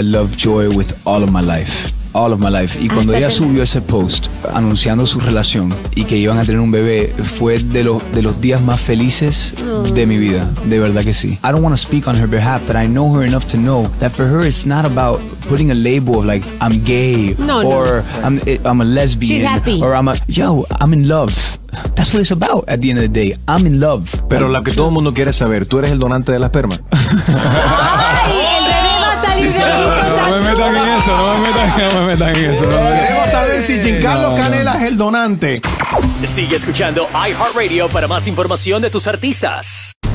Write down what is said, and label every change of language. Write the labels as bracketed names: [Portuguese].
[English] I love Joy with all of my life. All of my life. [Spanish] Y cuando ella subió ese post anunciando su relación y que iban a tener un bebé, fue de los días más felices de mi vida. De verdad que sí. [English] I don't want to speak on her behalf, but I know her enough to know that for her it's not about putting a label of like I'm gay I'm a lesbian. She's happy. I'm in love. That's what it's about at the end of the day. I'm in love. [Spanish] Pero lo que todo el mundo quiere saber, ¿tú eres el donante de la esperma? Queremos saber si Giancarlos Canela es el donante. Sigue escuchando iHeartRadio para más información de tus artistas.